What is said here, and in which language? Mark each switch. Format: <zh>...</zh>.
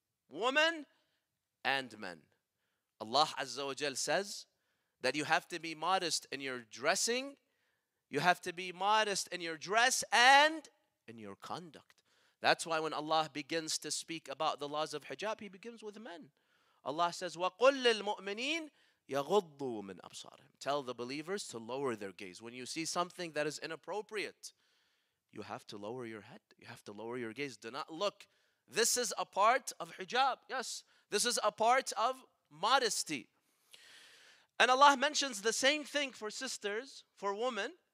<en>Women and men. Allah Azza wa Jal says that you have to be modest in your dressing. You have to be modest in your dress and in your conduct. That's why when Allah begins to speak about the laws of hijab, He begins with men. Allah says,</en> <ar>وَقُلْ لِلْمُؤْمِنِينَ يَغُضُّوا مِنْ أَبْصَارِهِمْ.</ar> <en>Tell the believers to lower their gaze. When you see something that is inappropriate, you have to lower your head. You have to lower your gaze. Do not look. This is a part of hijab. Yes, this is a part of modesty. And Allah mentions the same thing for sisters, for women.</en>